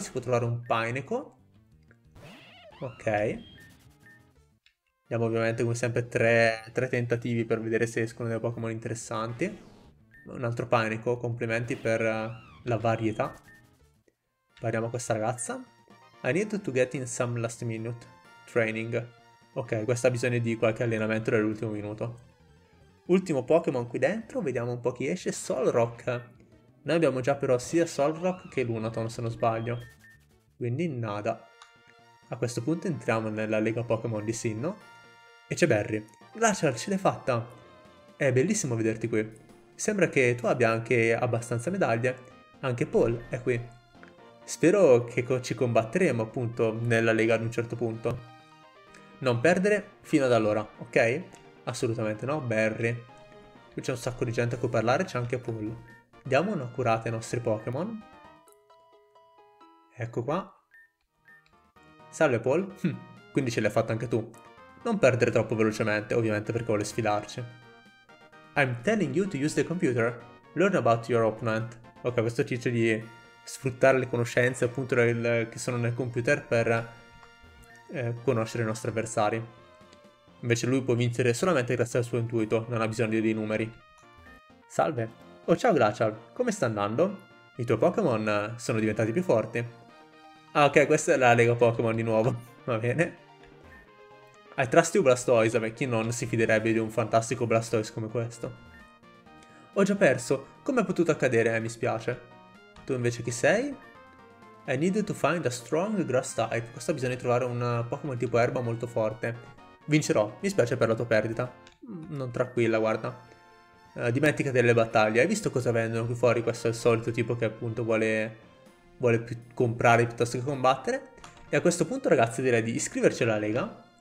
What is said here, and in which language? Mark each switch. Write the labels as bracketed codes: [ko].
[it] Si può trovare un Pineco. Ok. Diamo ovviamente, come sempre, tre tentativi per vedere se escono dei Pokémon interessanti. Un altro Pineco, complimenti per la varietà. Parliamo a questa ragazza. [en] I need to get in some last minute training. [it] Ok, questa ha bisogno di qualche allenamento dell'ultimo minuto. Ultimo Pokémon qui dentro, vediamo un po' chi esce. Solrock. Noi abbiamo già però sia Solrock che Lunaton, se non sbaglio. Quindi nada. A questo punto entriamo nella Lega Pokémon di Sinnoh. E c'è Barry. Glacial, ce l'hai fatta! È bellissimo vederti qui. Sembra che tu abbia anche abbastanza medaglie. Anche Paul è qui. Spero che ci combatteremo appunto nella Lega ad un certo punto. Non perdere fino ad allora, ok? Assolutamente no, Barry. Qui c'è un sacco di gente a cui parlare, c'è anche Paul. Diamo una curata ai nostri Pokémon. Ecco qua. Salve Paul. Quindi ce l'hai fatta anche tu. Non perdere troppo velocemente, ovviamente perché vuole sfidarci. [en] I'm telling you to use the computer. Learn about your opponent. [it] Ok, questo ci dice di sfruttare le conoscenze appunto che sono nel computer per... conoscere i nostri avversari. Invece lui può vincere solamente grazie al suo intuito, non ha bisogno dei numeri. Salve. Oh, ciao Glacial, come sta andando? I tuoi Pokémon sono diventati più forti. Ah, ok, questa è la Lega Pokémon di nuovo. Va bene. [en] I trust you Blastoise, [it] ma chi non si fiderebbe di un fantastico Blastoise come questo? Ho già perso, come è potuto accadere? Mi spiace. Tu invece chi sei? [en] I need to find a strong grass type. [it] Questo bisogna trovare un Pokémon tipo erba molto forte. Vincerò, mi spiace per la tua perdita. Non tranquilla, guarda. Dimenticati delle battaglie. Hai visto cosa vendono qui fuori? Questo è il solito tipo che appunto vuole comprare piuttosto che combattere. E a questo punto, ragazzi, direi di iscriverci alla Lega.